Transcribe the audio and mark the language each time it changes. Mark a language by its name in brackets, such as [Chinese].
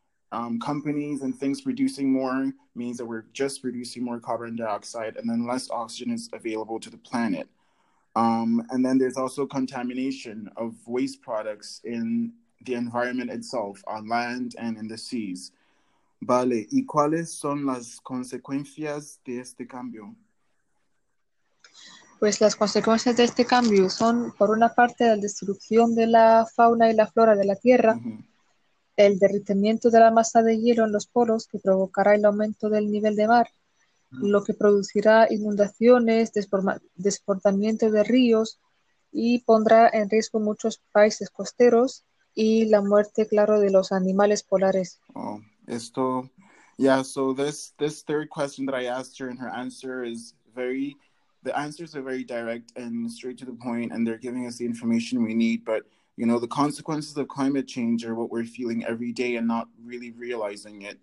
[English] Companies and things producing more means that we're just producing more carbon dioxide, and then less oxygen is available to the planet. And then there's also contamination of waste products in the environment itself, on land and in the seas. [Spanish] Vale, ¿y cuáles son las consecuencias de este cambio? Pues las consecuencias de este cambio son, por una parte, la destrucción de la fauna y la flora de la Tierra, el derretimiento de la masa de hielo en los polos, que provocará el aumento del nivel de mar, lo que producirá inundaciones, desbordamiento de ríos y pondrá en riesgo muchos países costeros y la muerte, claro, de los animales polares. [English] Oh, esto, yeah, so this third question that I asked her, and her answer is very, the answers are very direct and straight to the point, and they're giving us the information we need. But you know, the consequences of climate change are what we're feeling every day and not really realizing it.